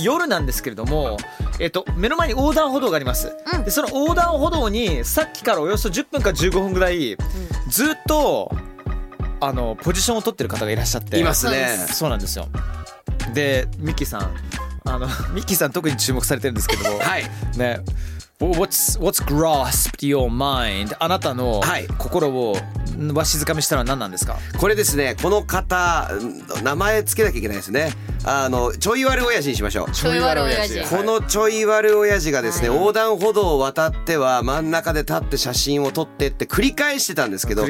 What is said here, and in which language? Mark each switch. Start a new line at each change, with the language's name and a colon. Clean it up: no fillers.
Japanese: 夜なんですけれども、目の前に横断歩道があります、うん、でその横断歩道にさっきからおよそ10分か15分ぐらい、うん、ずっとあのポジションを取ってる方がいらっしゃっていますね。そうなんですよ。でミッキーさん、あのミッキーさん特に注目されてるんですけども、はい、
English: ね、What's grasped your mind?
Japanese: あなたの心をわしづかみしたのは何なんですか？これですね、この方名前つけなきゃいけないですね。あのちょい悪親父にしましょう。ちょい悪親父。このちょい悪親父がですね、はい、横断歩道を渡っては真ん中で立って写真を撮ってって繰り返してたんですけど、